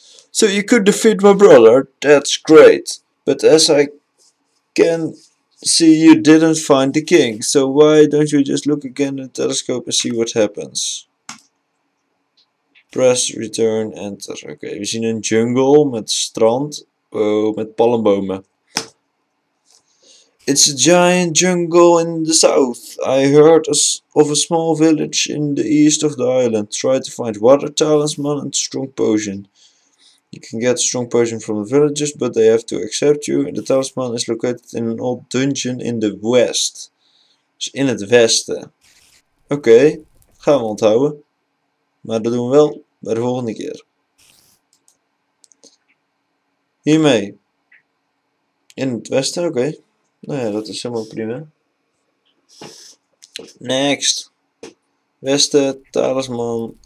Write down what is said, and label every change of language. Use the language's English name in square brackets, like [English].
[English] So you could defeat my brother, that's great. But as I... can see you didn't find the king, so why don't you just look again in the telescope and see what happens? Press return, enter. [Dutch] Oké, we zien een jungle met strand. Oh, met palmbomen. [English] It's a giant jungle in the south. I heard of a small village in the east of the island. Try to find water talisman and strong potion. You can get a strong potion from the villagers, but they have to accept you. The talisman is located in an old dungeon in the west. [Dutch] Dus in het westen. Oké, gaan we onthouden. Maar dat doen we wel bij de volgende keer. Hiermee. In het westen, oké. Nou ja, dat is helemaal prima. Next. Westen, talisman.